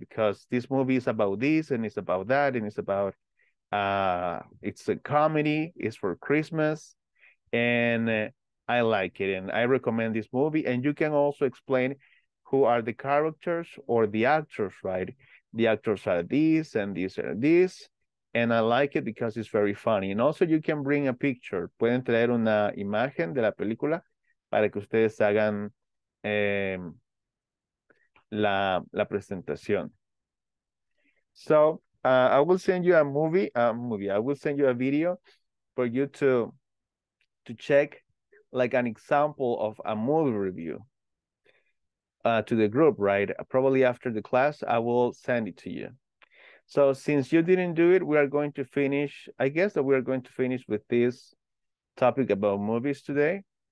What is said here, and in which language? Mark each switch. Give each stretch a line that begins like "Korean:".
English: Because this movie is about this, and it's about that, and it's about, it's a comedy, it's for Christmas, and I like it, and I recommend this movie. And you can also explain who are the characters or the actors, right? The actors are this, and these are this, and I like it because it's very funny. And also you can bring a picture.
Spanish: Pueden traer una imagen de la película para que ustedes hagan la presentación.
English: So I will send you a movie. I will send you a video for you to check, like an example of a movie review to the group, right? Probably after the class, I will send it to you. So since you didn't do it, we are going to finish, I guess that we are going to finish with this topic about movies today.